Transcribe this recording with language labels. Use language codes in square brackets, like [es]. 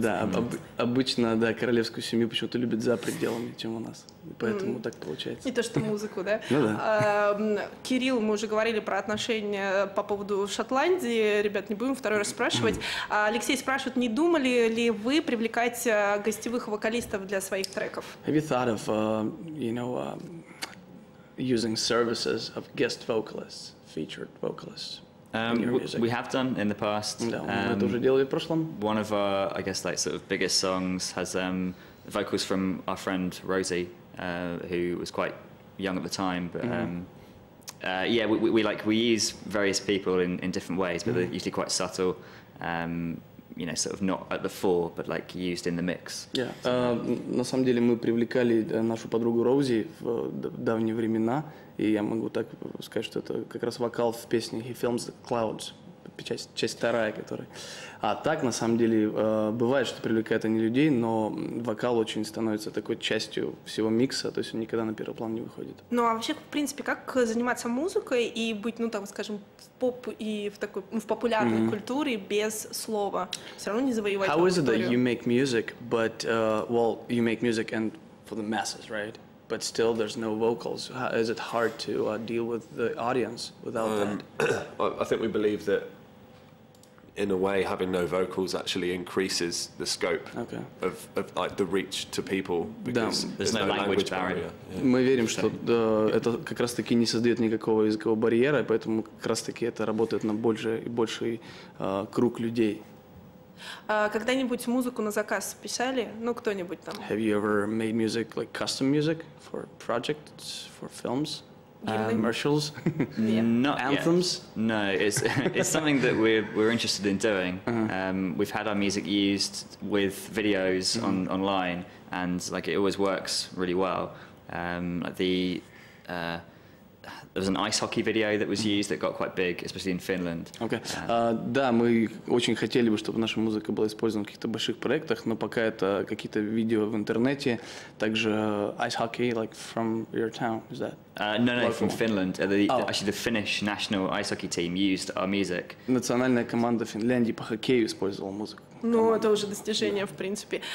[ru] Да, обычно да королевскую семью почему-то любят за пределами, чем у нас, поэтому так получается. И то, что музыку, да. Ну да. Кирилл, мы уже говорили про отношения по поводу Шотландии, ребят, не будем второй раз спрашивать. Алексей спрашивает, не думали ли вы привлекать гостевых вокалистов для своих треков? [en] Have you thought of, you know? Using services of guest vocalists, featured vocalists in your music. We have done in the past. One of our, I guess, like sort of biggest songs has vocals from our friend Rosie, who was quite young at the time. But we use various people in different ways, but they're usually quite subtle. You know, sort of not at the fore, but like used in the mix. Yeah. [ru] На самом деле мы привлекали нашу подругу Рози в давние времена, и я могу так сказать, что это как раз вокал в песне He Films the Clouds, часть вторая, которая. А так, на самом деле, бывает, что привлекают они людей, но вокал очень становится такой частью всего микса, то есть он никогда на первый план не выходит. Ну, а вообще, в принципе, как заниматься музыкой и быть, ну, там, скажем, в поп и в такой, в популярной культуре без слова? Все равно не завоевать аудиторию. [en] How is it that you make music, but, well, you make music and for the masses, right? But still, there's no vocals. Is it hard to deal with the audience without that? I think we believe that, in a way, having no vocals actually increases the scope of like the reach to people because there's no language barrier. [ru] Мы верим, что это как раз-таки не создает никакого языкового барьера, поэтому как раз-таки это работает на больше и больший круг людей. Когда-нибудь музыку на заказ писали? Ну, кто-нибудь там? [en] Have you ever made music, like custom music for projects, for films, commercials, anthems? No, it's something that we're interested in doing. We've had our music used with videos online, and like it always works really well. There was an ice hockey video that was used that got quite big, especially in Finland. Okay. [ru] Да, мы очень хотели бы, чтобы наша музыка была использована в каких-то больших проектах, но пока это какие-то видео в интернете. Также [en] ice hockey, like from your town, is that? No, from Finland. The Finnish national ice hockey team used our music. [ru] Национальная команда Финляндии по хоккею использовала музыку. Ну, это уже достижение, в принципе.